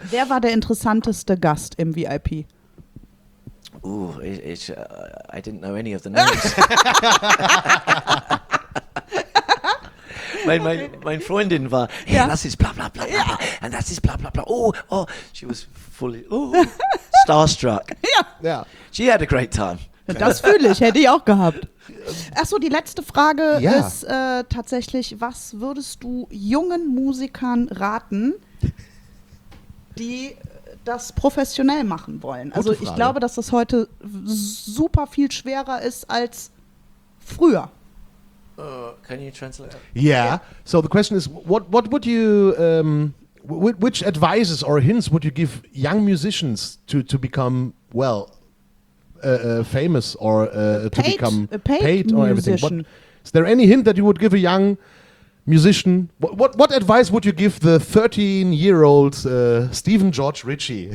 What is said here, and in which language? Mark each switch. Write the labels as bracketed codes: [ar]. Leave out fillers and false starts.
[de] Wer war der interessanteste Gast im VIP? [en] I didn't know any of the names. [de] mein Freundin war, das ist bla bla bla. Ja. And das ist bla bla bla. [en] Oh, she was fully, starstruck. [de] Ja. [en] She had a great time. [de] Das fühle ich, hätte ich auch gehabt. Achso, die letzte Frage ist tatsächlich, was würdest du jungen Musikern raten, die das professionell machen wollen? Gute also Frage. Ich glaube, dass das heute super viel schwerer ist als früher. [en] Can you translate? Yeah, so the question is, what would you, which advices or hints would you give young musicians to become, well, famous or paid or everything. What, is there any hint that you would give a young musician? What advice would you give the 13-year-old Stephen George Ritchie?